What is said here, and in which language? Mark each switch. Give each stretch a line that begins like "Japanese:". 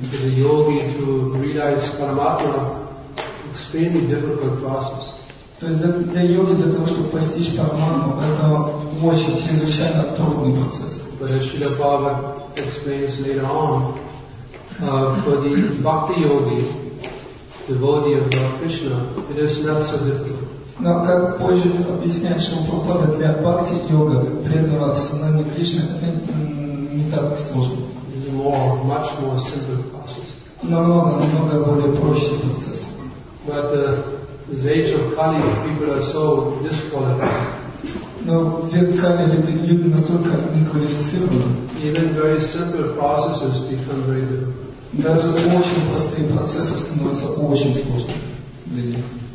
English: For the yogi to realize Paramatma, extremely difficult process.
Russian: То есть для йоги для того, чтобы постичь Параматму, это очень чрезвычайно трудный процесс.
English: But as Srila Prabhupada explains later on, for the bhakti yogi, devotee of Lord Krishna, it is not so difficult.
Russian: Но как позже объясняет Шрила Прабхупада, для бхакти йога, преданного в сознании Кришны, это не так сложно.
English: It's more, much more simple process.
Russian: Намного более проще процесс.
English: But the age of Kali, people are so disqualified.
Russian: Но век Кали люди настолько неквалифицированы.
English: Even very simple processes become very difficult.
Russian: Даже очень простые процессы становятся очень сложными для них.